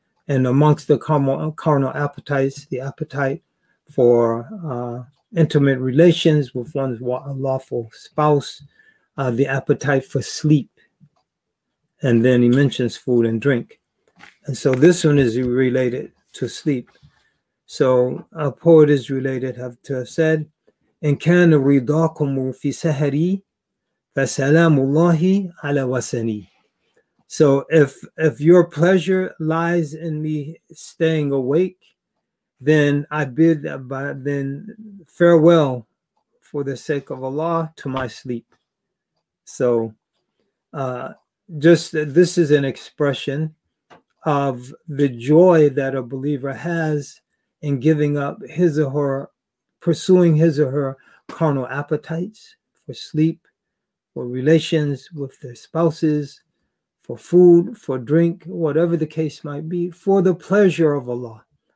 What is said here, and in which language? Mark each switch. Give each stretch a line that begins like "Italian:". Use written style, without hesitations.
English: And amongst the carnal appetites, the appetite for intimate relations with one's lawful spouse, the appetite for sleep. And then he mentions food and drink. And so this one is related to sleep. So a poet is related to have said,
Arabic: إن كان رضاكم في سهري فسلام الله على وسني.
English: So if your pleasure lies in me staying awake, then I bid then farewell for the sake of Allah to my sleep. So just this is an expression of the joy that a believer has in giving up his or her, pursuing his or her carnal appetites for sleep, for relations with their spouses, for food, for drink, whatever the case might be, for the pleasure of Allah.